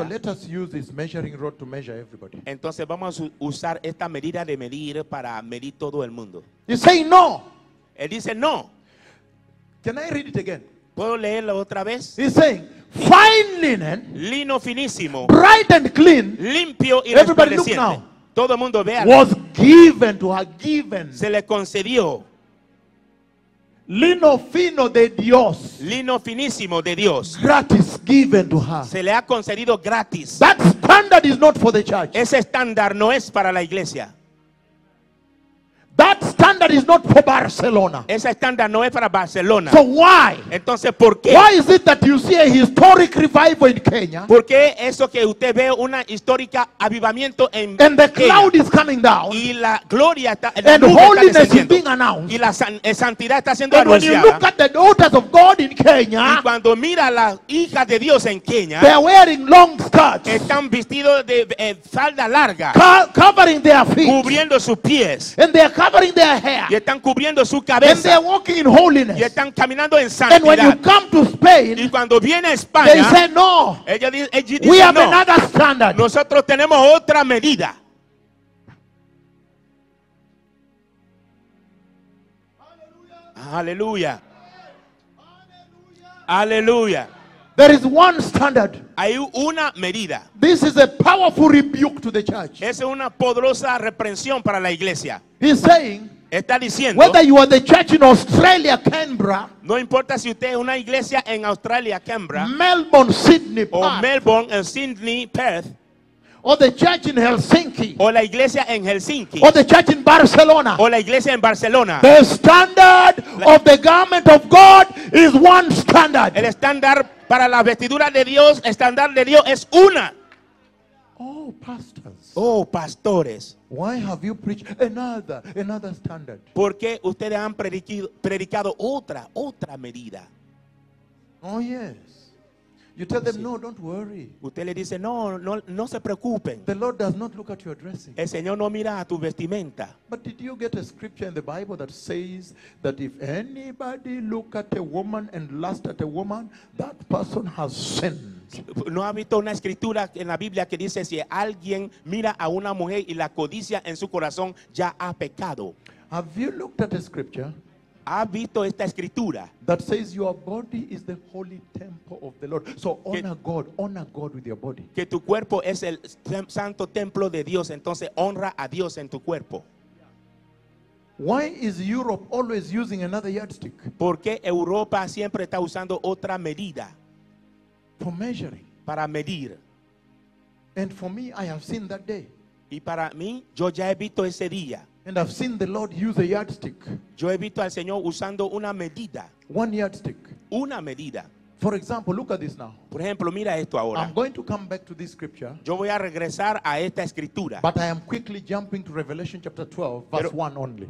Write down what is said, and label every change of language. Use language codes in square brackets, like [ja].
[en] So let us use this measuring rod to measure everybody. [es] Entonces vamos a usar esta medida de medir para medir todo el mundo. [en] You say no. [es] Él dice no. [en] Can I read it again? [es] ¿Puedo leerlo otra vez? [en] He's saying, fine linen, [es] lino finísimo, [en] bright and clean, [es] limpio y [en] everybody [es] resplandeciente. [en] Look now. [es] Todo el mundo vea. [en] Was given to her, given. [es] Se le concedió. Lino fino de Dios. Lino finísimo de Dios. [en] Gratis given to her. [es] Se le ha concedido gratis. [en] That standard is not for the church. [es] Ese estándar no es para la iglesia. [en] That standard is not for Barcelona. [es] Ese estándar no es para Barcelona. [en] So why? [es] Entonces, ¿por qué? [en] Why is it that you see a historic revival in Kenya? [es] ¿Por qué eso que usted ve una histórica avivamiento en [en] Kenya? And the cloud is coming down. [es] Y la gloria está, [en] and holiness is being announced. [es] Y la santidad está siendo anunciada. [en] And when you look at the daughters of God in Kenya, [es] y cuando mira a las hijas de Dios en Kenya, [en] they are wearing long skirts. [es] Están vestidos de falda larga. [en] Covering their feet. [es] Cubriendo sus pies. [en] And they are covering their hair. [es] Y están cubriendo su cabeza. [en] And they are walking in holiness. [es] Y están caminando en santidad. [en] And when you come to Spain, [es] y cuando viene a España, [en] they say no. [es] Ella dice, [en] we [es] no. [en] Have another standard. [es] Nosotros tenemos otra medida. Aleluya. Aleluya. [en] There is one standard. [es] Hay una medida. [en] This is a powerful rebuke to the church. [es] Es una poderosa reprensión para la iglesia. [en] He's saying, [es] está diciendo, [en] whether you are the church in Australia, Canberra, [es] no importa si usted es una iglesia en Australia, Canberra, [en] Melbourne, Sydney, [es] o Melbourne and Sydney, Perth, [en] or the church in Helsinki, [es] o la iglesia en Helsinki, [en] or the church in Barcelona, [es] o la iglesia en Barcelona. [en] The standard of the garment of God is one standard. [es] El estándar para la vestidura de Dios, estándar de Dios es una. [en] Oh, pastors. [es] Oh, pastores. [en] Why have you preached another standard? [es] ¿Por qué ustedes han predicado otra medida? [en] Oh, yes. You tell them, no, don't worry. [es] Usted le dice, no se preocupen. [en] The Lord does not look at your dressing. [es] El Señor no mira a tu vestimenta. [en] But did you get a scripture in the Bible that says that if anybody look at a woman and lust at a woman, that person has sinned? [es] ¿No ha visto una escritura en la Biblia que dice si alguien mira a una mujer y la codicia en su corazón, ya ha pecado? [en] Have you looked at a scripture? [es] ¿Ha visto esta escritura? [en] That says your body is the holy temple of the Lord. So honor God with your body. [es] Que tu cuerpo es el santo templo de Dios. Entonces honra a Dios en tu cuerpo. [en] Why is Europe always using another yardstick? [es] ¿Por qué Europa siempre está usando otra medida? [en] For measuring. [es] Para medir. [en] And for me, I have seen that day. [es] Y para mí, yo ya he visto ese día. [en] And I've seen the Lord use a yardstick. [es] Yo he visto al Señor usando una medida. [en] One yardstick. [es] Una medida. [en] For example, look at this now. [es] Por ejemplo, mira esto ahora. [en] I'm going to come back to this scripture. [es] Yo voy a regresar a esta escritura. [en] But I am quickly jumping to Revelation chapter 12, verse 1 only.